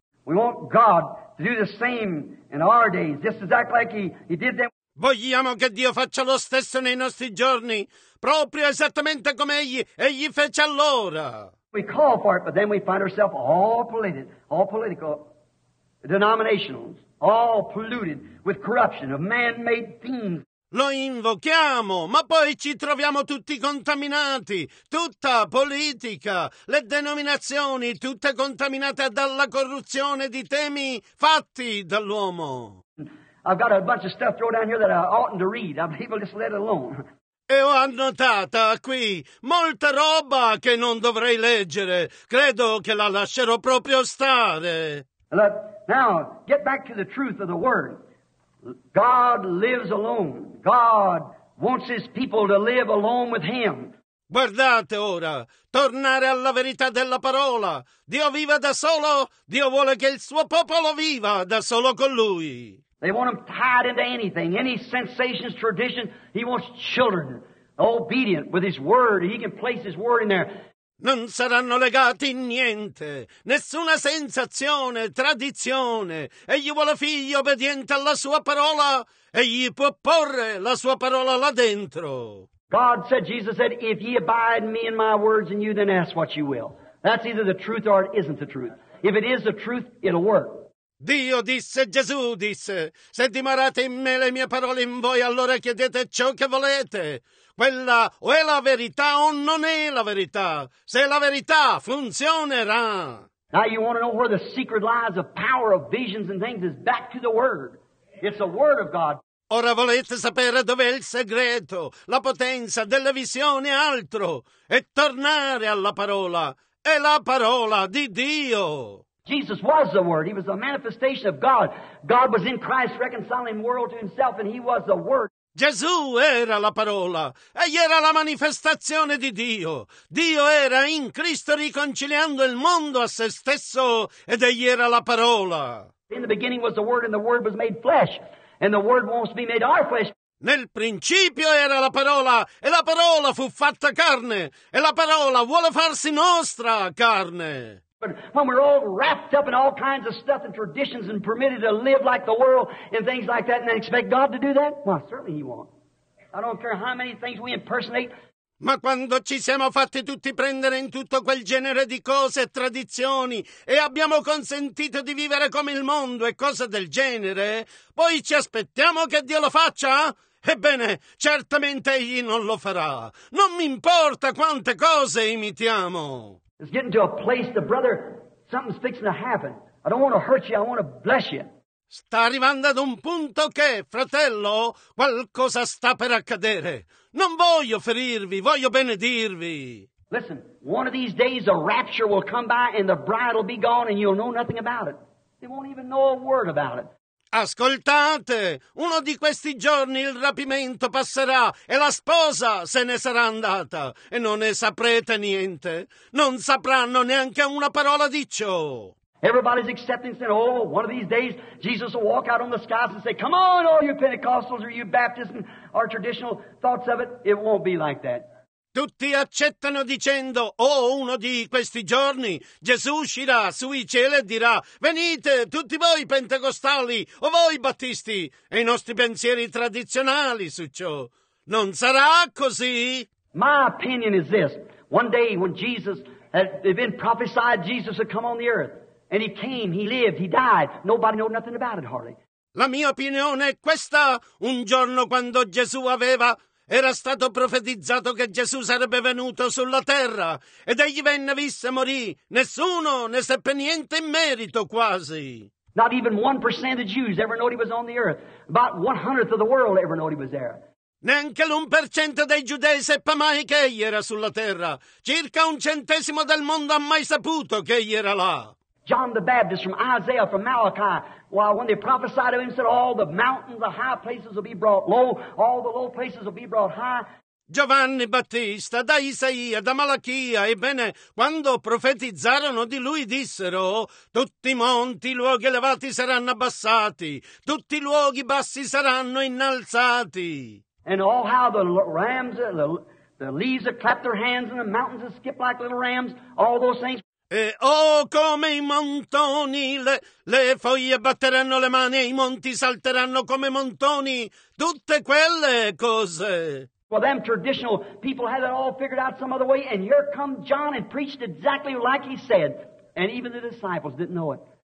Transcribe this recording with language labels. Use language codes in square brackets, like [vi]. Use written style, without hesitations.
[en] We want God to do the same in our days, just exactly like he did them. [it] Vogliamo che Dio faccia lo stesso nei nostri giorni, proprio esattamente come egli fece allora. [en] We call for it, but then we find ourselves all political, denominationals, all polluted with corruption of man-made things. [it] Lo invochiamo, ma poi ci troviamo tutti contaminati, tutta politica, le denominazioni tutte contaminate dalla corruzione di temi fatti dall'uomo. [en] I've got a bunch of stuff thrown down here that I oughtn't to read. I believe I'll just let it alone. [it] E ho annotata qui molta roba che non dovrei leggere. Credo che la lascerò proprio stare. [en] Look, now, get back to the truth of the word. God lives alone. God wants his people to live alone with him. [it] Guardate ora, tornare alla verità della parola. Dio vive da solo. Dio vuole che il suo popolo viva da solo con lui. [en] They want him tied into anything, any sensations, tradition. He wants children, obedient with his word. He can place his word in there. [it] Non saranno legati in niente, nessuna sensazione, tradizione. Egli vuole figli obbedienti alla sua parola e gli può porre la sua parola là dentro. [en] God said, Jesus said, if ye abide in me and my words in you, then ask what you will. That's either the truth or it isn't the truth. If it is the truth, it'll work. [it] Dio disse, Gesù disse, se dimorate in me le mie parole in voi, allora chiedete ciò che volete. Quella o è la verità o non è la verità. Se è la verità, funzionerà. [en] Now you want to know where the secret lies of power, of visions and things is back to the Word. It's the Word of God. [it] Ora volete sapere dov'è il segreto, la potenza della visione e altro, e tornare alla parola, è la parola di Dio. [en] Jesus was the Word. He was the manifestation of God. God was in Christ reconciling the world to himself, and he was the Word. [it] Gesù era la parola, egli era la manifestazione di Dio. Dio era in Cristo riconciliando il mondo a se stesso, ed egli era la parola. [en] In the beginning was the Word, and the Word was made flesh, and the Word wants to be made our flesh. [it] Nel principio era la parola, e la parola fu fatta carne, e la parola vuole farsi nostra carne. [en] When we're all wrapped up in all kinds of stuff and traditions and permitted to live like the world and things like that and then expect God to do that? Well, certainly He won't. I don't care how many things we impersonate. [it] Ma quando ci siamo fatti tutti prendere in tutto quel genere di cose e tradizioni e abbiamo consentito di vivere come il mondo e cose del genere, poi ci aspettiamo che Dio lo faccia? Ebbene, certamente Egli non lo farà. Non mi importa quante cose imitiamo. [en] It's getting to a place, the brother, something's fixing to happen. I don't want to hurt you, I want to bless you. [it] Sta arrivando ad un punto che, fratello, qualcosa sta per accadere. Non voglio ferirvi, voglio benedirvi. [en] Listen, one of these days a rapture will come by and the bride will be gone and you'll know nothing about it. They won't even know a word about it. [it] Ascoltate, uno di questi giorni il rapimento passerà e la sposa se ne sarà andata e non ne saprete niente. Non sapranno neanche una parola di ciò. [en] Everybody's accepting, saying, oh, one of these days Jesus will walk out on the skies and say, come on, all you Pentecostals or you Baptists, our traditional thoughts of it, it won't be like that. [it] Tutti accettano dicendo, uno di questi giorni, Gesù uscirà sui cieli e dirà, venite tutti voi pentecostali o voi battisti, e i nostri pensieri tradizionali su ciò. Non sarà così? [en] My opinion is this, one day when Jesus had been prophesied, Jesus had come on the earth, and he came, he lived, he died, nobody knew nothing about it hardly. [it] La mia opinione è questa, un giorno quando Gesù aveva, era stato profetizzato che Gesù sarebbe venuto sulla terra ed egli venne, visse, morì. Nessuno ne seppe niente in merito, quasi. [en] Not even 1% of the Jews ever knew he was on the earth. About 1/100 of the world ever knew he was there. [it] Neanche l'1% dei giudei seppe mai che egli era sulla terra. Circa 1/100 del mondo ha mai saputo che egli era là. [en] John the Baptist from Isaiah, from Malachi, when they prophesied of him, said, all the mountains, the high places will be brought low, all the low places will be brought high. [it] Giovanni Battista, da Isaia, da Malachia, ebbene, quando profetizzarono di lui, dissero, tutti i monti, i luoghi elevati saranno abbassati, tutti i luoghi bassi saranno innalzati. [en] And all how the rams, the leaves that clap their hands and the mountains that skip like little rams, all those things. [it] E come i montoni, le foglie batteranno le mani e i monti salteranno come montoni, tutte quelle cose. [en] Well, them traditional people had it all figured out some other way, and here come John and preached exactly like he said, and even the disciples didn't know it.